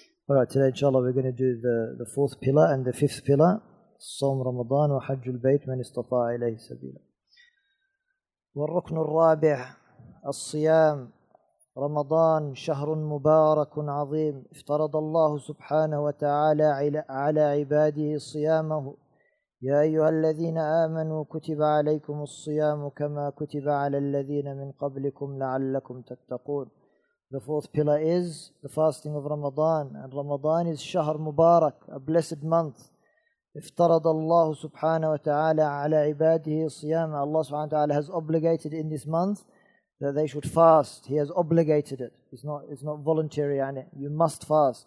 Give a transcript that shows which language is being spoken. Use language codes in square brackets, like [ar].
[en] Alright, today inshallah we're going to do the fourth pillar and the fifth pillar. [ar] صوم رمضان وحج البيت من استطاع إليه سبيلا والركن الرابع الصيام رمضان شهر مبارك عظيم افترض الله سبحانه وتعالى على عباده صيامه يا أيها الذين آمنوا كتب عليكم الصيام كما كتب على الذين من قبلكم لعلكم تتقون. [en] The fourth pillar is the fasting of Ramadan, and Ramadan is [ar] شهر مبارك, [en] a blessed month. [ar] افترض الله سبحانه وتعالى على عباده الصيام. [en] Allah [ar] سبحانه وتعالى [en] has obligated in this month that they should fast. He has obligated it. It's not voluntary. You must fast.